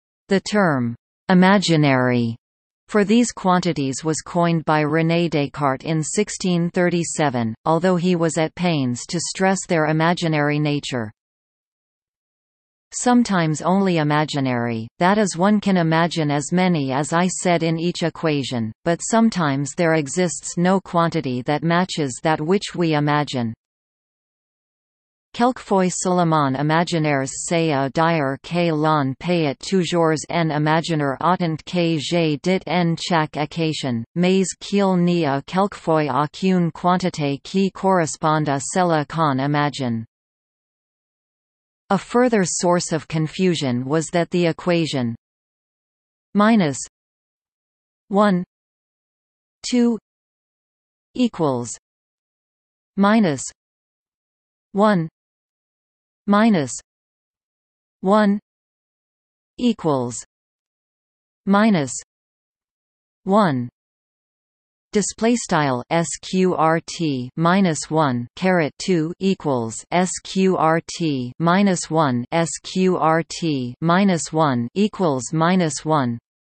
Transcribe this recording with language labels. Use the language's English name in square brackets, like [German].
[English] The term «imaginary» for these quantities was coined by René Descartes in 1637, although he was at pains to stress their imaginary nature. sometimes only imaginary, that is one can imagine as many as I said in each equation, but sometimes there exists no quantity that matches that which we imagine. [French] Quelquefois Suleiman imaginaires c'est à dire que l'on peut toujours en imaginer autant que j'ai dit en chaque occasion, mais qu'il n'y a quelquefois aucune quantité qui corresponde à celle qu'on imagine. [English] A further source of confusion was that the equation minus 1 2 equals minus 1 minus 1 equals minus 1 display style sqrt minus 1 caret 2 equals sqrt minus 1 sqrt minus 1 equals minus 1